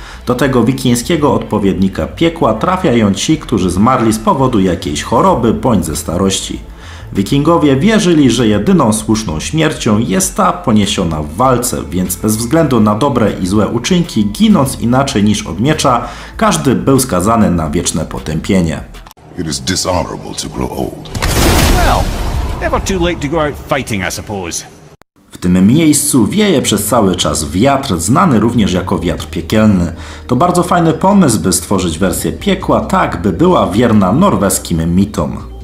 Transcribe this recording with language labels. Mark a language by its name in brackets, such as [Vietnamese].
[Polish] Do tego wikińskiego odpowiednika piekła trafiają ci, którzy zmarli z powodu jakiejś choroby bądź ze starości. Wikingowie wierzyli, że jedyną słuszną śmiercią jest ta poniesiona w walce, więc bez względu na dobre i złe uczynki, ginąc inaczej niż od miecza, każdy był skazany na wieczne potępienie. [English] It is dishonorable to grow old. Well, never too late to go out fighting, I suppose. [Polish] W tym miejscu wieje przez cały czas wiatr, znany również jako wiatr piekielny. To bardzo fajny pomysł, by stworzyć wersję piekła tak, by była wierna norweskim mitom.